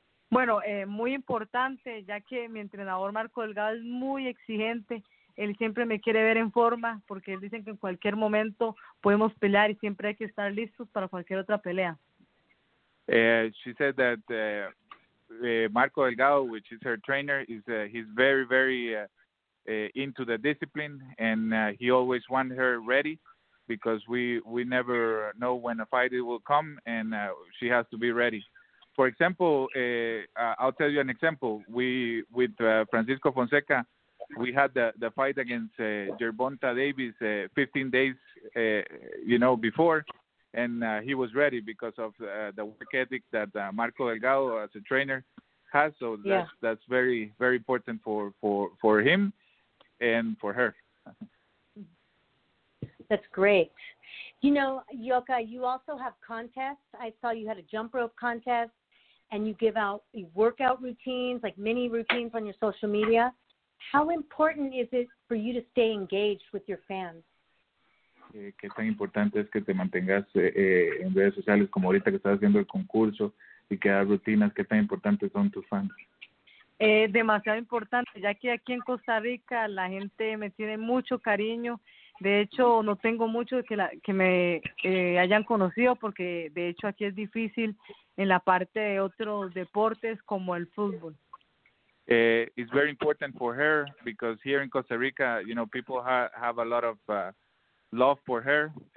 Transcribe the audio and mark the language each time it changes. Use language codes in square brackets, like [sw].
[es] Bueno, muy importante, ya que mi entrenador Marco Delgado es muy exigente. Él siempre me quiere ver en forma, porque él dice que en cualquier momento podemos pelear y siempre hay que estar listos para cualquier otra pelea. [en] She said that Marco Delgado, which is her trainer, he's very, very into the discipline, and he always wants her ready, because we never know when a fight will come, and she has to be ready. For example, I'll tell you an example. With Francisco Fonseca, we had the fight against Gervonta Davis 15 days, before, and he was ready because of the work ethic that Marco Delgado as a trainer has. So that's very, very important for him and for her. That's great. You know, Yoka, you also have contests. I saw you had a jump rope contest, and you give out workout routines, like mini routines on your social media. How important is it for you to stay engaged with your fans? [es] Qué tan importante es que te mantengas en redes sociales, como ahorita que estás haciendo el concurso y que das rutinas, qué tan importantes son tus fans. Demasiado importante, ya que aquí en Costa Rica la gente me tiene mucho cariño. De hecho, no tengo mucho que me hayan conocido, porque de hecho aquí es difícil en la parte de otros deportes como el fútbol. [en] It's very important for her because here in Costa Rica, you know, people have a lot of love for her.